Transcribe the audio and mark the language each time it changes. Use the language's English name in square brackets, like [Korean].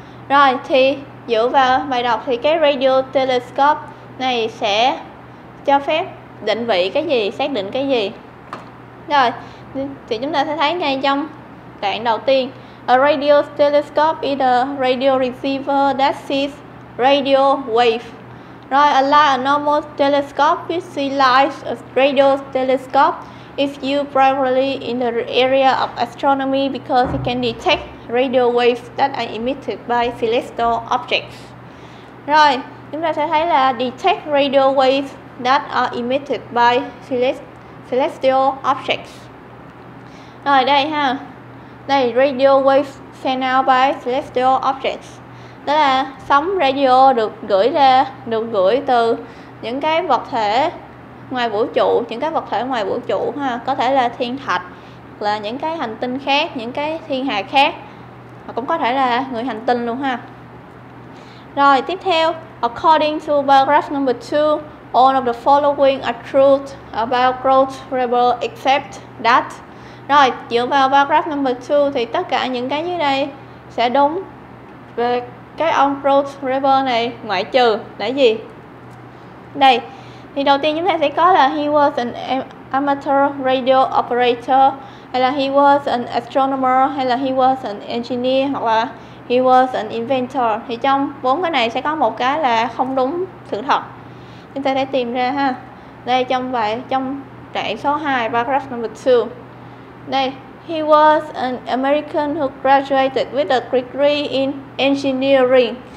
[Vietnamese] Rồi thì dựa vào bài đọc thì cái radio telescope này sẽ cho phép định vị cái gì, xác định cái gì. Rồi thì chúng ta sẽ thấy ngay trong đoạn đầu tiên, [English] a radio telescope is a radio receiver that sees radio wave. Rồi a light, a normal telescope which see light, a radio telescope is used primarily in the area of astronomy because it can detect radio waves that are emitted by celestial objects. [Vietnamese] Rồi chúng ta sẽ thấy là [English] detect radio waves that are emitted by celestial objects. [Vietnamese] Rồi đây ha, đây [English] radio waves sent out by celestial objects, [Vietnamese] đó là sóng radio được gửi từ những cái vật thể ngoài vũ trụ, những cái vật thể ngoài vũ trụ ha, có thể là thiên thạch, là những cái hành tinh khác, những cái thiên hà khác, hoặc cũng có thể là người hành tinh luôn ha. Rồi tiếp theo, [English] according to paragraph number 2, all of the following are true about growth variable except that. [Vietnamese] Rồi, dựa vào [English] paragraph number 2 [Vietnamese] thì tất cả những cái dưới đây sẽ đúng về cái ông growth variable này, ngoại trừ là gì? Đây, thì đầu tiên chúng ta sẽ có là [English] he was an amateur radio operator, hay là he was an astronomer, hay là he was an engineer, hoặc là he was an inventor. [Vietnamese] Thì trong bốn cái này sẽ có một cái là không đúng sự thật. Chúng ta sẽ tìm ra ha. Đây trong bài, trong đoạn số 2, [English] paragraph number 2. [Vietnamese] Đây, [English] he was an American who graduated with a degree in engineering.